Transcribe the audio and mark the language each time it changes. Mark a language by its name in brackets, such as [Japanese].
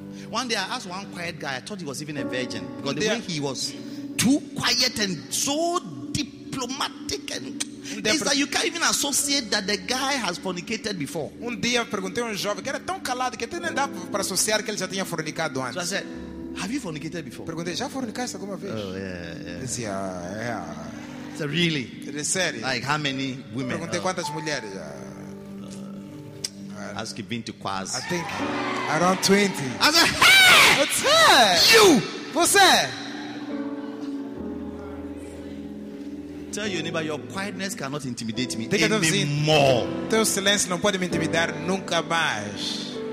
[English] One day I asked one quiet guy, I thought he was even a virgin. Because the way he was too quiet and so diplomatic. dramatic and things that you can't even associate that the guy has fornicated before. [Portuguese] Um dia perguntei a um jovem que era tão calado que até nem dá para associar que ele já tinha fornicado antes. [English] So I said, have you fornicated before? [Portuguese] Perguntei, já fornicaste alguma vez? [English] Oh, yeah. [Portuguese] Ele dizia, yeah. [English] So really? [Portuguese] De sério? [English] Like how many women? [Portuguese] Perguntei quantas mulheres. [English] Ask you been to Quaz. I think around 20. I said, hey! What's her? You! [Portuguese] Você! [English] Tell your neighbor, your quietness cannot intimidate me anymore. [Portuguese] Teu silêncio não pode me intimidar nunca mais.